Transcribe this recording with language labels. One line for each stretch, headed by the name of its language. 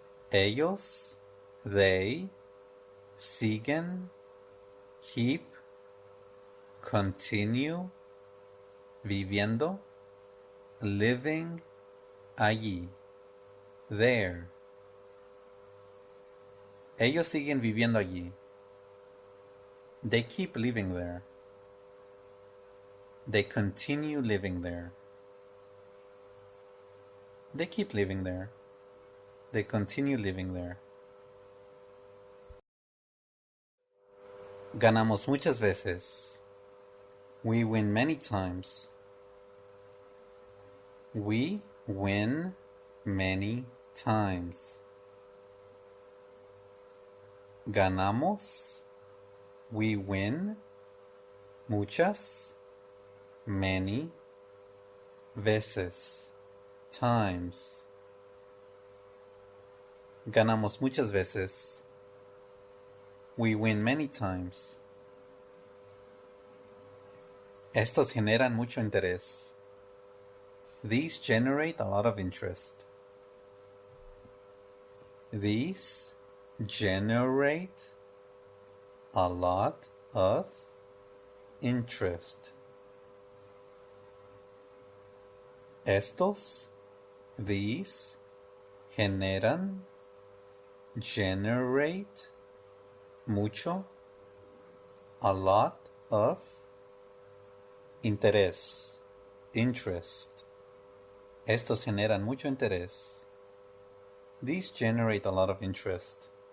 Spanish: Ellos,
English: they,
Spanish: siguen,
English: keep, continue,
Spanish: viviendo,
English: living,
Spanish: allí,
English: there.
Spanish: Ellos siguen viviendo allí.
English: They keep living there. They continue living there. They keep living there. They continue living there.
Spanish: Ganamos muchas veces.
English: We win many times. We win many times.
Spanish: Ganamos.
English: We win
Spanish: muchas.
English: Many
Spanish: veces,
English: times.
Spanish: Ganamos muchas veces.
English: We win many times.
Spanish: Estos generan mucho interés.
English: These generate a lot of interest. These generate a lot of interest.
Spanish: Estos,
English: these,
Spanish: generan,
English: generate,
Spanish: mucho,
English: a lot of,
Spanish: interés,
English: interest.
Spanish: Estos generan mucho interés.
English: These generate a lot of interest.